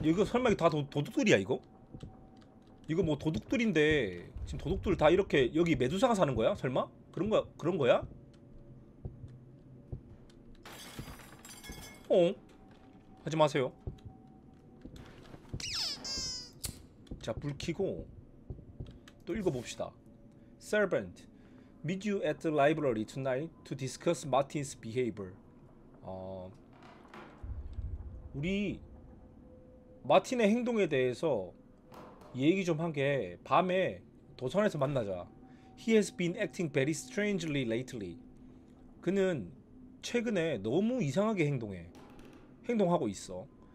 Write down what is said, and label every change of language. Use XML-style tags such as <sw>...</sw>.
<ko>여기 설마 이게 다 도둑들이야 이거? 이거 뭐 도둑들인데 지금 도둑들 다 이렇게 여기 메두사가 사는 거야? 설마? 그런 거야? 어? 하지 마세요. 자, 불 켜고 또 읽어봅시다.</ko> <en>Servant. Meet you at the library tonight to discuss Martin's behavior.</en> <ko>우리 마틴의 행동에 대해서 얘기 좀 한 게 밤에 도서관에서 만나자.</ko> <en>He has been acting very strangely lately.</en> <ko>그는 최근에 너무 이상하게 행동하고 있어.</ko>